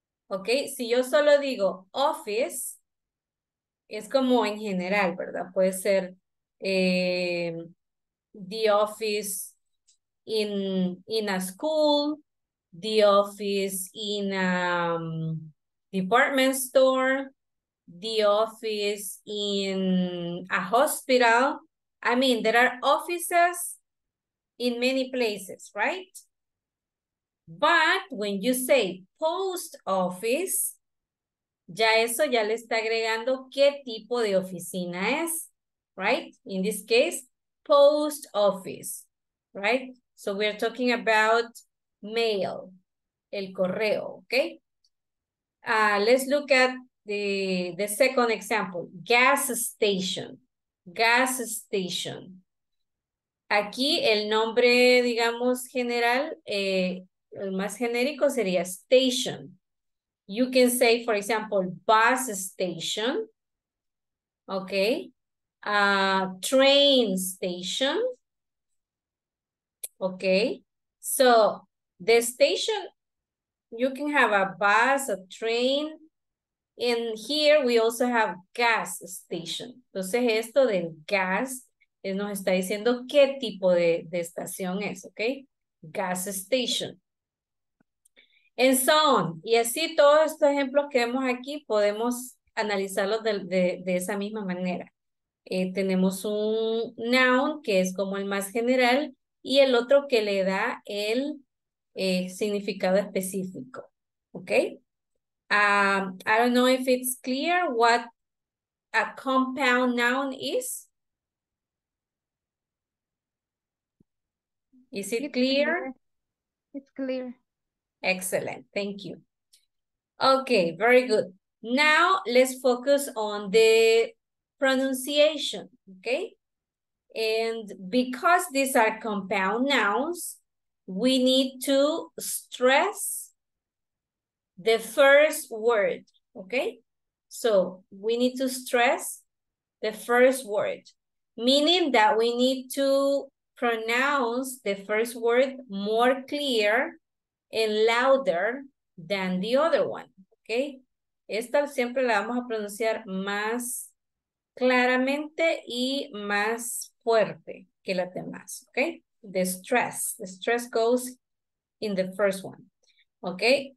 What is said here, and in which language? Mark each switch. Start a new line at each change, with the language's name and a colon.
Spanish: Okay, si yo solo digo office, es como en general, ¿verdad? Puede ser
English: the office in a school, the office in a department store, the office in a hospital. I mean, there are offices in many places, right? But when you say post office,
Spanish: ya eso ya le está agregando qué tipo de oficina es, right?
English: In this case, post office, right? So we're talking about mail,
Spanish: el correo,
English: okay? Let's look at the second example, gas station, gas station.
Spanish: Aquí el nombre, digamos, general, el más genérico sería station.
English: You can say, for example, bus station, okay? Train station, okay? So the station, you can have a bus, a train, and here we also have gas station.
Spanish: Entonces esto del gas nos está diciendo qué tipo de estación es, okay?
English: Gas station. And so on.
Spanish: Y así todos estos ejemplos que vemos aquí podemos analizarlos de esa misma manera. Tenemos un noun que es como el más general y el otro que le da el significado específico.
English: Okay? I don't know if it's clear what a compound noun is. Is it clear? It's clear. Excellent, thank you. Okay, very good. Now let's focus on the pronunciation, okay? And because these are compound nouns, we need to stress the first word, okay? So we need to stress the first word, meaning that we need to pronounce the first word more clear and louder than the other one, okay?
Spanish: Esta siempre la vamos a pronunciar más claramente y más fuerte que las demás, okay?
English: The stress goes in the first one, okay?